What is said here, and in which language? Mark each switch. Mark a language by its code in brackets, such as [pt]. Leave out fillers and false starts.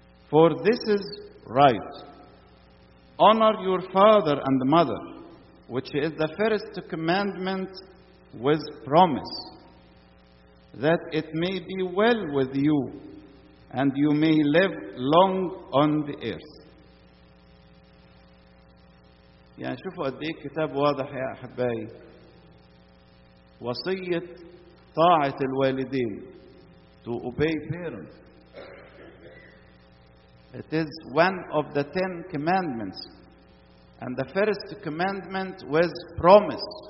[en] For this is right. Honor your father and mother, which is the first commandment with promise, that it may be well with you, and you may live long on the earth. [ar] يعني شوفوا قد ايه الكتاب واضح يا احبائي. وصية طاعة الوالدين, [en] to obey parents. It is one of the ten commandments. And the first commandment was promise.